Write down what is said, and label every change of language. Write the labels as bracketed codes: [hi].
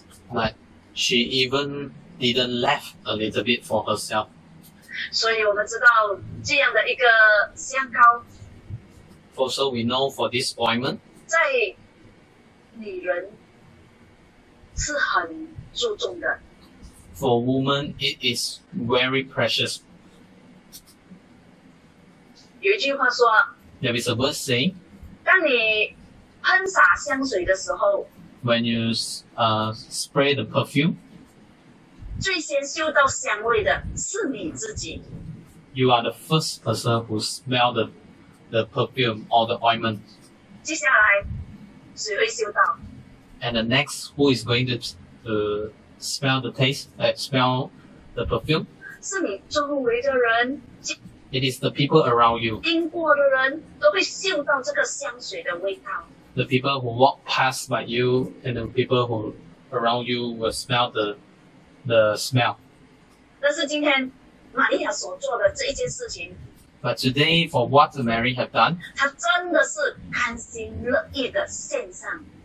[en] But she even didn't left a little bit for herself. [zh] 所以我们知道这样的一个香膏, [en] also we know for this ointment, [zh] 在女人是很注重的, [en] for woman it is very precious. [zh] 有一句话说, [en] there is a verse saying, [zh] 当你喷洒香水的时候, [en] when you spray the perfume, [zh] 最先嗅到香味的是你自己。 [en] You are the first person who smell the perfume or the ointment. [zh] 接下来谁会嗅到? [en] And the next, who is going to smell the taste, smell the perfume? [zh] 是你周围的人, [en] it is the people around you. [zh] 经过的人都会嗅到这个香水的味道。 [en] The people who walk past by you and the people who around you will smell the smell. [zh] 但是今天玛利亚所做的这一件事情, [en] but today for what Mary have done, [zh] 她真的是甘心乐意的献上,